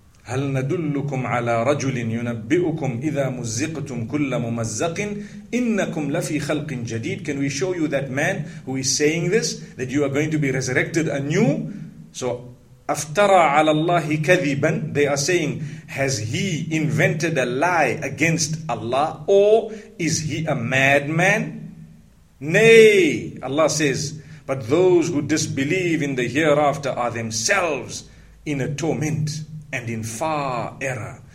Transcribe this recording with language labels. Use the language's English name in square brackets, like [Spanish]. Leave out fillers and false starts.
[Arabic] هَلْ نَدُلُّكُمْ عَلَىٰ رَجُلٍ يُنَبِّئُكُمْ إِذَا مُزِّقْتُمْ كُلَّ مُمَزَّقٍ إِنَّكُمْ لَفِي خَلْقٍ جَدِيدٍ. [English] Can we show you that man who is saying this, that you are going to be resurrected anew? [Arabic] So, أَفْتَرَى عَلَى اللَّهِ كَذِبًا. [English] They are saying, has he invented a lie against Allah, or is he a madman? Nay, Allah says, but those who disbelieve in the hereafter are themselves in a torment and in far error.